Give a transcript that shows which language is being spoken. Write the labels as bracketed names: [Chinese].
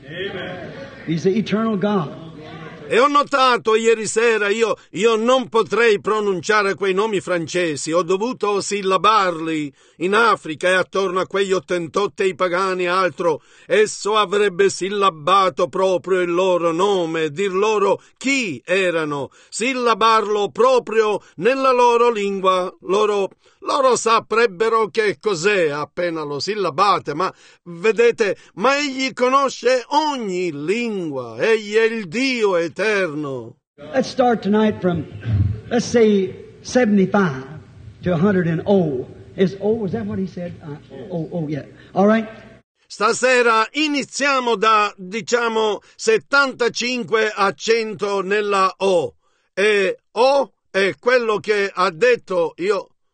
[English] Amen. He's the eternal God. [Italian] E ho notato ieri sera, io non potrei pronunciare quei nomi francesi, ho dovuto sillabarli in Africa e attorno a quegli ottentotti e i pagani e altro, esso avrebbe sillabato proprio il loro nome, dir loro chi erano, sillabarlo proprio nella loro lingua, loro saprebbero che cos'è appena lo sillabate, ma vedete, ma egli conosce ogni lingua, egli è il Dio eterno. [English] Let's start tonight from, let's say, 75 to 100 and oh. Is that what he said? Yeah. All right. [Italian] Stasera iniziamo da, diciamo, 75 a 100 nella O. E O è quello che ha detto io.